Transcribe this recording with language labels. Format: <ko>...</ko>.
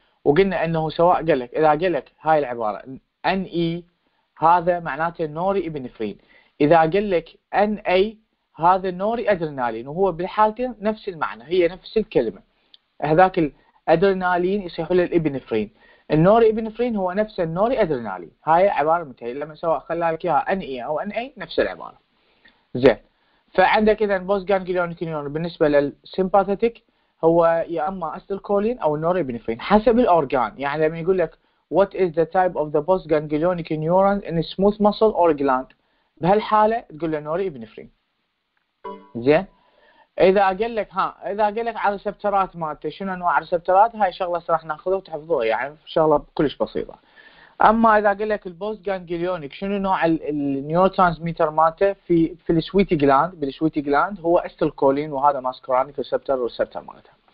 <ar>وقلنا انه سواء قال لك، اذا قال لك هاي العباره ان اي هذا معناته نوري ابنفرين، اذا قال لك ان اي هذا نوري ادرينالين، وهو بالحالتين نفس المعنى، هي نفس الكلمه، هذاك الادرينالين يصيح له الابنفرين، النوري ابنفرين هو نفس النوري ادرينالين، هاي عباره متهيئه، لما سواء خلى لك اياها ان اي او ان اي نفس العباره. زين، فعندك اذا بوست جانجليونيك نيورون بالنسبه للسيمباثيتك هو يا اما استيلكولين او نوري ابنفرين حسب الاورجان. يعني لما يقول لك</ar> <en>What is the type of the postganglionic neuron in a smooth muscle or gland؟</en> <ar>بهالحالة تقول له نوري ابنفرين. زين، إذا قال لك ها، إذا قال لك على ريسبترات مالته، شنو أنواع الريسبترات؟ هاي شغلة راح ناخذها وتحفظوها، يعني شغلة كلش بسيطة. أما إذا قال لك البوستجانجليونيك شنو نوع النيورو ترانسميتر مالته في السويتي جلاند، بالسويتي جلاند هو استيلكولين، وهذا ماسكرانيك ريسبتر والريسبتر مالته.</ar>